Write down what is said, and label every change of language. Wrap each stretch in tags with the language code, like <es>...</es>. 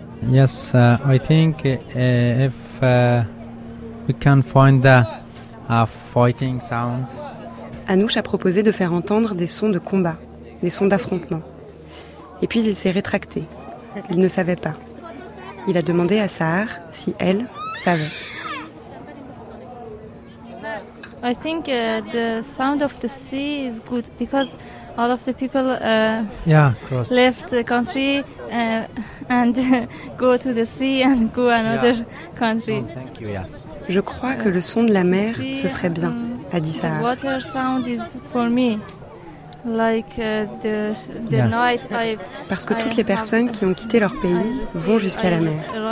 <en>Yes, I think if we can find a fighting sound.</en> <fr>Anouche a proposé de faire entendre des sons de combat, des sons d'affrontement. Et puis il s'est rétracté. Il ne savait pas. Il a demandé à Sahar si elle savait.</fr> <en>I think the sound of the sea is good because all of the people left the country and go to the sea and go another country. Oh, thank you, yes.</en> <fr>Je crois que le son de la mer, ce serait bien, a dit Sahar.</fr> <en>The water sound is for me. Like the night</en> <fr>parce que toutes les personnes qui ont quitté leur pays vont jusqu'à la mer.</fr>